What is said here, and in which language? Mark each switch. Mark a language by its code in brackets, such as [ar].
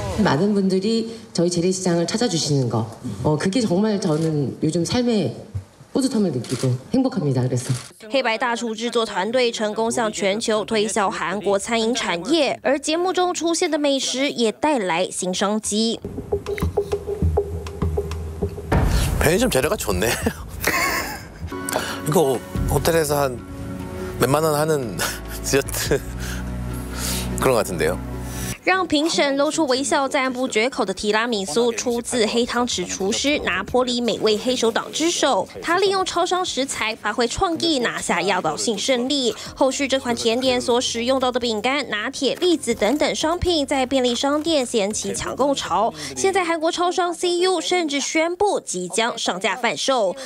[ko] 많은분들이저희재래시장을찾아주시는거그게정말저는요즘삶에뿌듯함을느끼고행복합니다그래서 [zh] 黑白大厨制作团队成功向全球推销韩国餐饮产业，而节目中出现的美食也带来新商机。 [ko] 편의점재료가좋네 이거호텔에서한몇만원하는디저트 그런것같은데요 [zh] 让评审露出微笑赞不绝口的提拉米苏出自黑汤匙厨师拿破里美味黑手党之手，他利用超商食材发挥创意拿下压倒性胜利。后续这款甜点所使用到的饼干、拿铁、栗子等等商品在便利商店掀起抢购潮，现在韩国超商 CU 甚至宣布即将上架贩售。